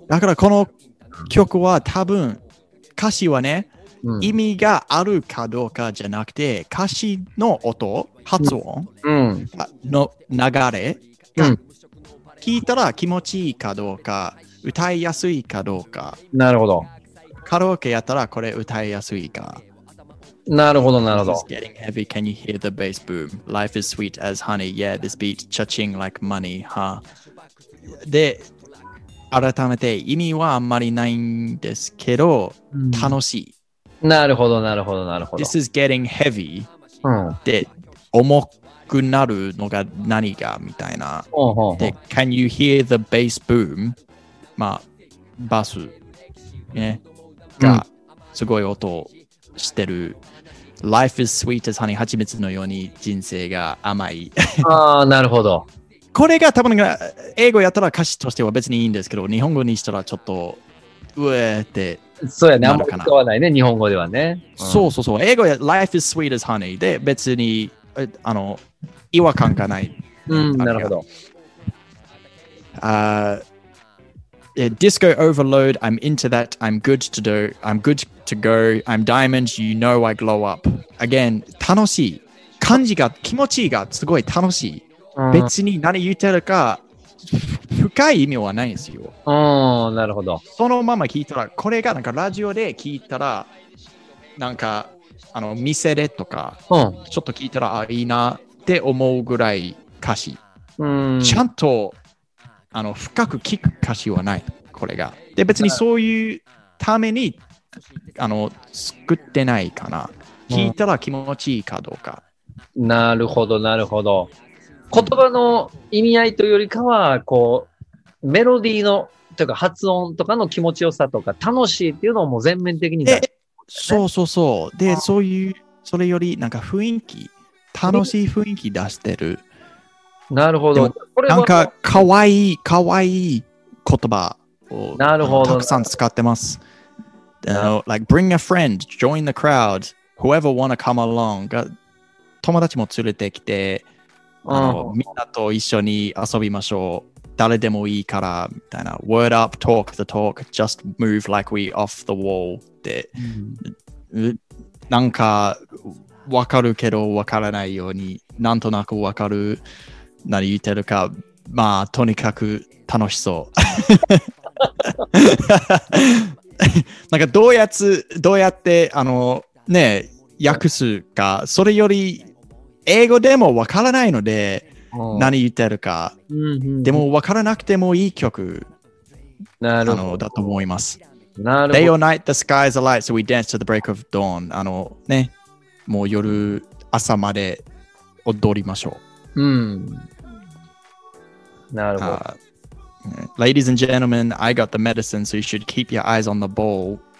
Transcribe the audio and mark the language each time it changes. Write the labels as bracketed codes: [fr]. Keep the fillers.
[ja] だからこの曲は多分、歌詞はね、意味があるかどうかじゃなくて、歌詞の音、発音、うんの流れ、うん、聞いたら気持ちいいかどうか、歌いやすいかどうか。なるほど。カラオケやったらこれ歌いやすいか。なるほど、なるほど。 [en] getting heavy, can you hear the bass boom? Life is sweet as honey, yeah, this beat, cha-ching like money, huh? [ja] で、改めて意味はあんまりないんですけど、うん、楽しい。なるほど、なるほど、なるほど。 [en] This is getting heavy.、 [ja] うん、で、重くなるのが何かみたいな。 [en] うんうん、で、Can you hear the bass boom? [ja] まあ、バス、ね、がすごい音してる。うん、 [en] Life is sweet as honey, [ja] 蜂蜜のように人生が甘い。ああ、なるほど。これが多分、英語やったら歌詞としては別にいいんですけど、日本語にしたらちょっと、うえってそうやね、あんまり使わないねなな、日本語ではね、うん。そうそうそう。英語は [en] Life is sweet as honey [ja] で別にあの違和感がない。 うんアア、なるほど。ああ。 [en] ディスコオブロード、I'm into that, I'm good to do, I'm good to go, I'm diamond, you know I glow up. Again, [ja] 楽しい。感じが、気持ちがすごい楽しい。うん、別に何言ってるか深い意味はないんですよ。ああ、なるほど。そのまま聞いたら、これがなんかラジオで聞いたら、なんか、あの、見せれとか、うん、ちょっと聞いたら、あいいなって思うぐらい歌詞。うんちゃんと、あの、深く聞く歌詞はない、これが。で、別にそういうために、あの、作ってないかな、うん。聞いたら気持ちいいかどうか。なるほど、なるほど。言葉の意味合いというよりかは、こう、メロディーの、というか発音とかの気持ちよさとか、楽しいっていうのも全面的に、ね、そうそうそう。で、そういう、それよりなんか雰囲気、楽しい雰囲気出してる。な,なるほど。こなんか、かわいい、かわいい言葉をなるほどたくさん使ってます。 [en] Uh, l、like, bring a friend, join the crowd, whoever wanna come along [ja] 友達も連れてきて、あの、 [en] oh. [ja] みんなと一緒に遊びましょう。誰でもいいから、みたいな。 [en] Word up, talk the talk, just move like we off the wall って。 Mm-hmm. [ja] なんか、わかるけどわからないように、なんとなくわかる何言ってるか、まあ、とにかく楽しそう。なんか、どうやつ、どうやって、あの、ねえ、訳すか、それより、英語でもわからないので何言ってるか、うんうんうん、でもわからなくてもいい曲なるほどだと思います。 [en] Day or night, the sky is alight, so we dance to the break of dawn. [ja] あのね、もう夜朝まで踊りましょう。うん。なるほど。 [en] Uh, Ladies and gentlemen, I got the medicine, so you should keep your eyes on the ball.